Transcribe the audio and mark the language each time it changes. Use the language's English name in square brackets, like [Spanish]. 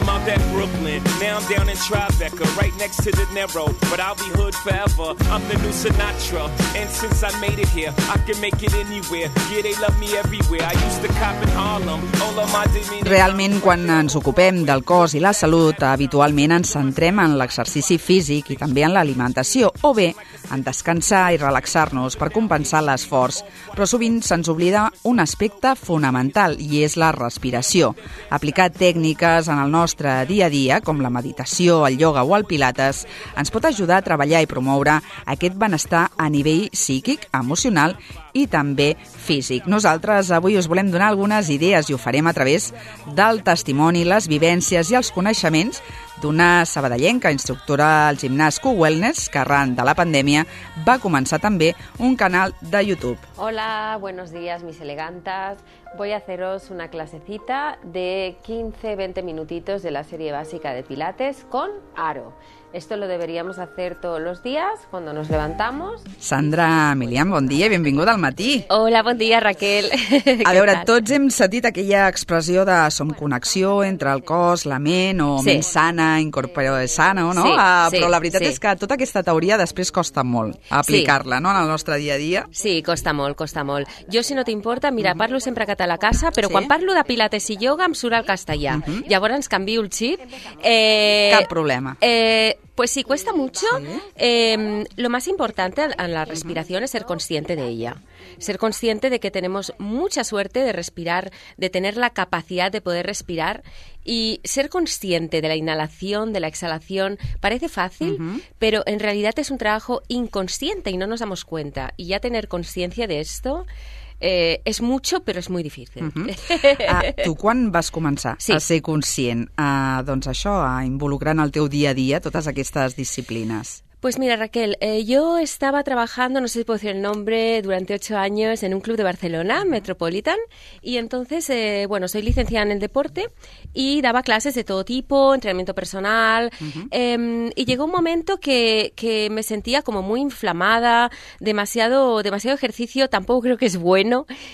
[English] At Brooklyn, now I'm down in Tribeca, right next to De Niro, but I'll be hood forever. I'm the new Sinatra, and since I made it here, I can make it anywhere. Yeah, they love me everywhere. I used to cop in Harlem, all of my demeanor. [Catalan] Realment, quan ens ocupem del cos i la salut, habitualment ens centrem en l'exercici físic i també en l'alimentació, o bé en descansar i relaxar-nos per compensar l'esforç. Però sovint se'ns oblida un aspecte fonamental, i és la respiració. Aplicar tècniques en el nostre dia a dia, com la meditació, el ioga o el pilates, ens pot ajudar a treballar i promoure aquest benestar a nivell psíquic, emocional i també físic. Nosaltres avui us volem donar algunes idees i ho farem a través del testimoni, les vivències i els coneixements d'una sabadellenca instructora al gimnàs Q-Wellness que arran de la pandèmia va començar també un canal de YouTube. [Spanish] Hola, buenos días, mis elegantas. Voy a haceros una clasecita de 15-20 minutitos de la serie básica de Pilates con aro. Esto lo deberíamos hacer todos los días cuando nos levantamos. [Catalan] Sandra Milian, bon dia i benvinguda al matí. Hola, bon dia, Raquel. A veure, tots hem sentit aquella expressió de som connexió entre el cos, la ment, o sí, ment sana, incorporada sana, no? Sí, però la veritat sí, és que tota aquesta teoria després costa molt aplicar-la, sí, no?, en el nostre dia a dia. Sí, costa molt, costa molt. Jo, si no t'importa, mira, parlo sempre català a casa, però sí, quan parlo de pilates i ioga em surt el castellà. Uh-huh. Llavors canvio el xip. Cap problema. [Spanish] Pues sí, cuesta mucho. Lo más importante en la respiración es ser consciente de ella. Ser consciente de que tenemos mucha suerte de respirar, de tener la capacidad de poder respirar. Y ser consciente de la inhalación, de la exhalación, parece fácil, pero en realidad es un trabajo inconsciente y no nos damos cuenta. Y ya tener consciencia de esto es mucho, pero es muy difícil. [Catalan] Tu quan vas començar sí, a ser conscient, doncs això, a involucrar en el teu dia a dia totes aquestes disciplines? [Spanish] Pues mira, Raquel, yo estaba trabajando, no sé si puedo decir el nombre, durante 8 años en un club de Barcelona, Metropolitan, y entonces, bueno, soy licenciada en el deporte y daba clases de todo tipo, entrenamiento personal, y llegó un momento que me sentía como muy inflamada, demasiado ejercicio, tampoco creo que es bueno.